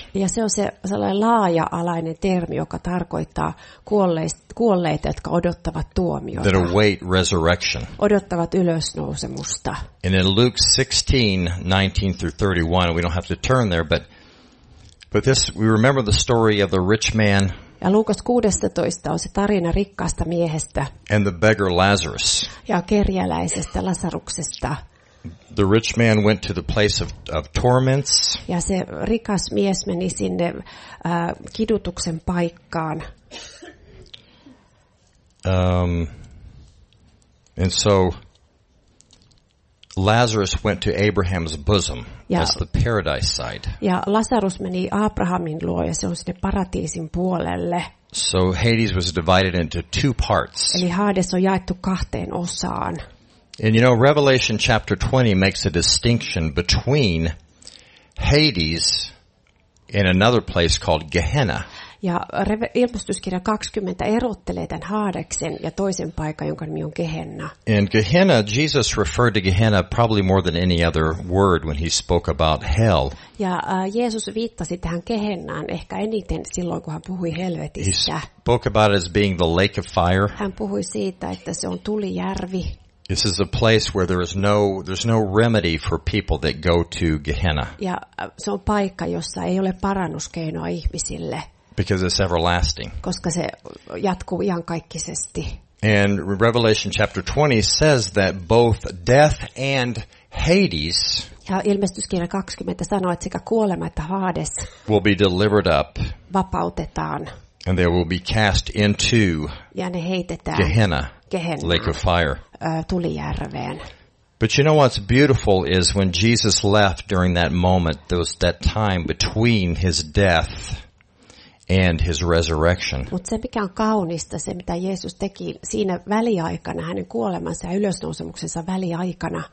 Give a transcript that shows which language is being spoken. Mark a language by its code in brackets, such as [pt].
[fi] Ja se on sellainen laaja-alainen termi, joka tarkoittaa kuolleita, jotka odottavat tuomiota. [en] That await resurrection. [fi] Odottavat ylösnousemusta. [en] And in Luke 16:19-31, we don't have to turn there, but this we remember the story of the rich man. [fi] Ja Luukas 16 on se tarina rikkaasta miehestä. [en] And the beggar Lazarus. [fi] Ja kerjäläisestä Lasaruksesta. [en] The rich man went to the place of torments. [fi] Ja se rikas mies meni sinne kidutuksen paikkaan. [en] And so Lazarus went to Abraham's bosom. Ja, that's the paradise side. [fi] Ja Lazarus meni Abrahamin luo ja se on sinne paratiisin puolelle. [en] So Hades was divided into two parts. [fi] Eli Hades on jaettu kahteen osaan. [en] And you know, Revelation chapter 20 makes a distinction between Hades and another place called Gehenna. [fi] Ja ilmestyskirja 20 erottelee tämän Haadeksen ja toisen paikan, jonka nimi on Gehenna. [en] And Gehenna, Jesus referred to Gehenna probably more than any other word when he spoke about hell. [fi] Ja Jeesus viittasi tähän Gehennaan ehkä eniten silloin, kun hän puhui helvetistä. [en] He spoke about it as being the lake of fire. [fi] Hän puhui siitä, että se on tulijärvi. [en] This is a place where there's no remedy for people that go to Gehenna. [fi] Ja se on paikka, jossa ei ole parannuskeinoa ihmisille. [en] Because it's everlasting. [fi] Koska se jatkuu iankaikkisesti. [en] And Revelation chapter 20 says that both death and Hades. [fi] Ja ilmestyskirja 20 sanoo, että sekä kuolema että Hades. [en] Will be delivered up. [fi] Vapautetaan. [en] And they will be cast into. [fi] Ja ne heitetään. [en] Gehenna. [fi] Gehenna, [en] lake of fire. [fi] Tulijärveen. [en] But you know what's beautiful is when Jesus left during that moment, that time between his death and his resurrection. [fi] Mut se mikä on kaunista, se mitä Jeesus teki siinä väliaikana, hänen kuolemansa ja ylösnousemuksensa väliaikana.